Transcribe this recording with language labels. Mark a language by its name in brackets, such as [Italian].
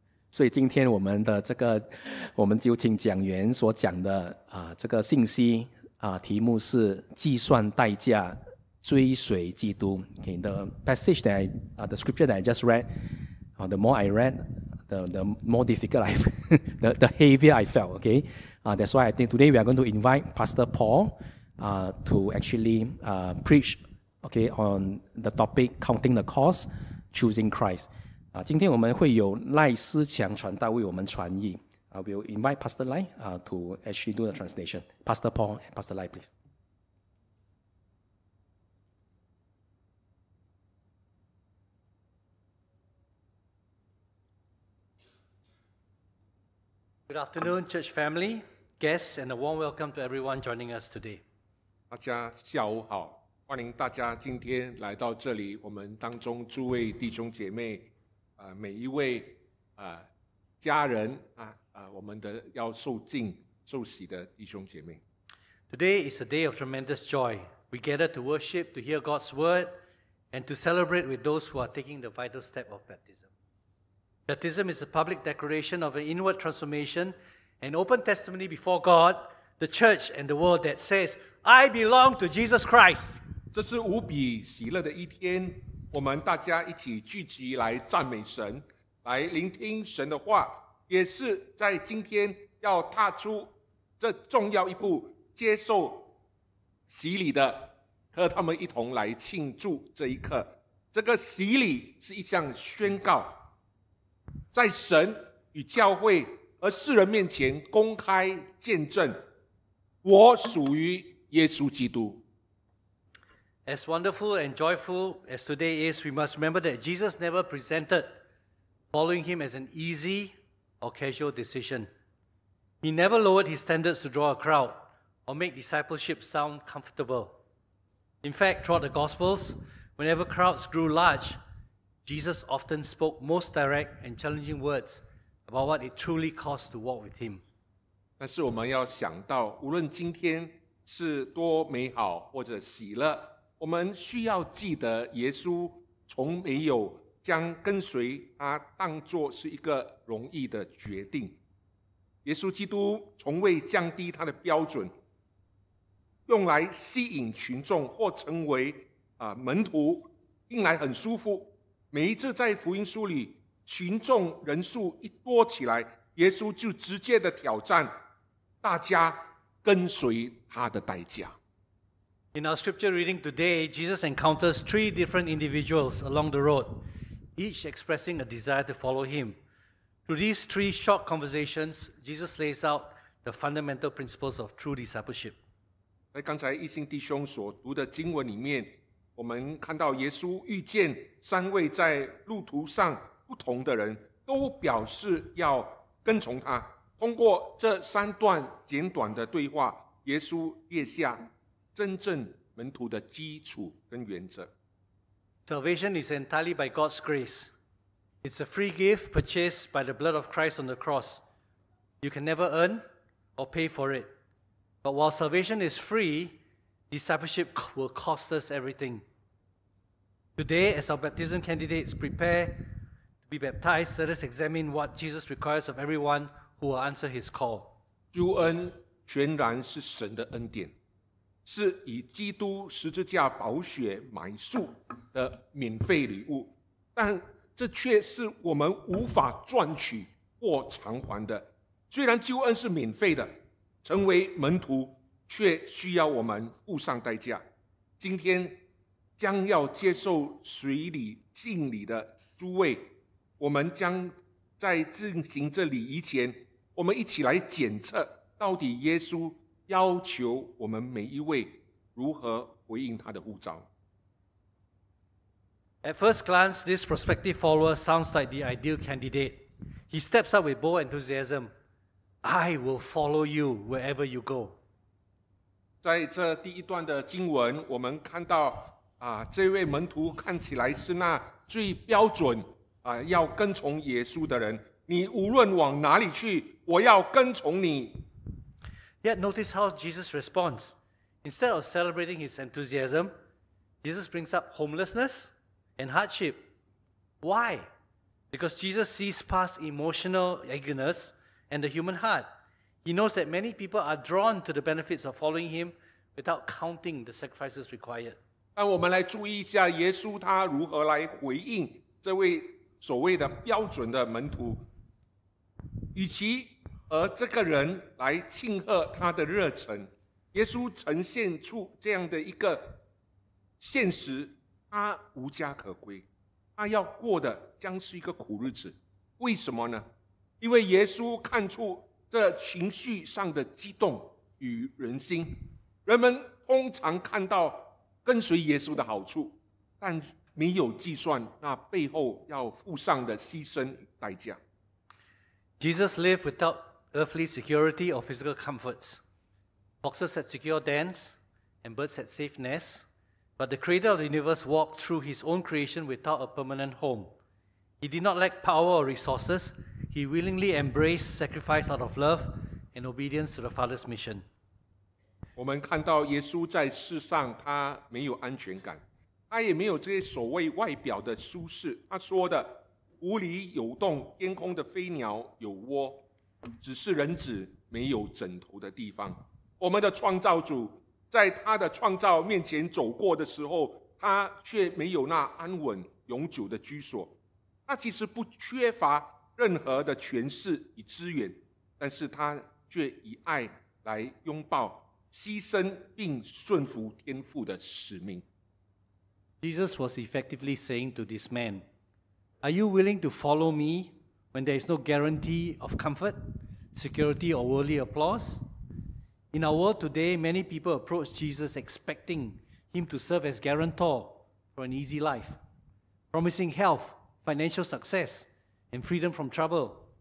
[Chinese] 所以今天我们的这个，我们就请讲员所讲的这个信息题目是计算代价追随基督。 [English] Okay, the passage that I, the scripture that I just read, the more I read, the more difficult I, the heavier I felt. Okay, that's why I think today we are going to invite Pastor Paul to actually preach. Okay, on the topic counting the cost, choosing Christ. [Chinese] 今天我们会有赖思强传道为我们传译。 [English] We'll invite Pastor Lai to actually do the translation. Pastor Paul and Pastor Lai, please. Good afternoon, church family, guests, and a warm welcome to everyone joining us today. [Chinese] 大家下午好，欢迎大家今天来到这里，我们当中诸位弟兄姐妹。每一位家人我们的要受浸受洗的弟兄姐妹。 [English] Today is a day of tremendous joy. We gather to worship, to hear God's word, and to celebrate with those who are taking the vital step of baptism. Baptism is a public declaration of an inward transformation, an open testimony before God, the church, and the world that says, I belong to Jesus Christ. [Chinese] 这是无比喜乐的一天。我们大家一起聚集来赞美神，来聆听神的话，也是在今天要踏出这重要一步，接受洗礼的，和他们一同来庆祝这一刻。这个洗礼是一项宣告，在神与教会和世人面前公开见证，我属于耶稣基督。 [English] As wonderful and joyful as today is, we must remember that Jesus never presented following him as an easy or casual decision. He never lowered his standards to draw a crowd or make discipleship sound comfortable. In fact, throughout the Gospels, whenever crowds grew large, Jesus often spoke most direct and challenging words about what it truly cost to walk with him. [Chinese] 但是我们要想到，无论今天是多美好或者喜乐，我们需要记得耶稣从没有将跟随他当作是一个容易的决定。耶稣基督从未降低他的标准，用来吸引群众或成为门徒，听来很舒服，每一次在福音书里群众人数一多起来，耶稣就直接的挑战大家跟随他的代价。 [English] In our scripture reading today, Jesus encounters three different individuals along the road, each expressing a desire to follow him. Through these three short conversations, Jesus lays out the fundamental principles of true discipleship. [Chinese] 在刚才一心弟兄所读的经文里面，我们看到耶稣遇见三位在路途上不同的人，都表示要跟从他。通过这三段简短的对话，耶稣列下真正门徒的基础跟原则。 [English] Salvation is entirely by God's grace. It's a free gift purchased by the blood of Christ on the cross. You can never earn or pay for it. But while salvation is free, discipleship will cost us everything. Today, as our baptism candidates prepare to be baptized, let us examine what Jesus requires of everyone who will answer his call. [Chinese] 救恩全然是神的恩典，是以基督十字架宝血买赎的免费礼物，但这却是我们无法赚取或偿还的。虽然救恩是免费的，成为门徒却需要我们付上代价。今天将要接受水礼敬礼的诸位，我们将在进行这礼仪前，我们一起来检测到底耶稣要求我们每一位如何回应他的呼召。 [English] At first glance, this prospective follower sounds like the ideal candidate. He steps up with bold enthusiasm. I will follow you wherever you go. [Chinese] 在这第一段的经文，我们看到这位门徒看起来是那最标准要跟从耶稣的人。你无论往哪里去，我要跟从你。 [English] Yet notice how Jesus responds. Instead of celebrating his enthusiasm, Jesus brings up homelessness and hardship. Why? Because Jesus sees past emotional eagerness and the human heart. He knows that many people are drawn to the benefits of following him without counting the sacrifices required. [Chinese] 让我们来注意一下耶稣他如何来回应这位所谓的标准的门徒。与其和这个人来庆贺他的热忱，耶稣呈现出这样的一个现实，他无家可归，他要过的将是一个苦日子。为什么呢？因为耶稣看出这情绪上的激动与人心。人们通常看到跟随耶稣的好处，但没有计算那背后要付上的牺牲代价。 [English] Jesus lived without earthly security or physical comforts. Foxes had secure dens, and birds had safe nests, but the creator of the universe walked through his own creation without a permanent home. He did not lack power or resources. He willingly embraced sacrifice out of love and obedience to the Father's mission. [Chinese] 我们看到耶稣在世上，他没有安全感，他也没有这些所谓外表的舒适。他说的无里有洞，天空的飞鸟有窝，只是人子没有枕头的地方。我们的创造主在他的创造面前走过的时候，他却没有那安稳永久的居所。他其实不缺乏任何的权势与资源，但是他却以爱来拥抱牺牲并顺服天父的使命。 [English] Jesus was effectively saying to this man, Are you willing to follow me when there is no guarantee of comfort, security, or worldly applause? In our world today, many people approach Jesus expecting him to serve as guarantor for an easy life, promising health, financial success, and freedom from trouble.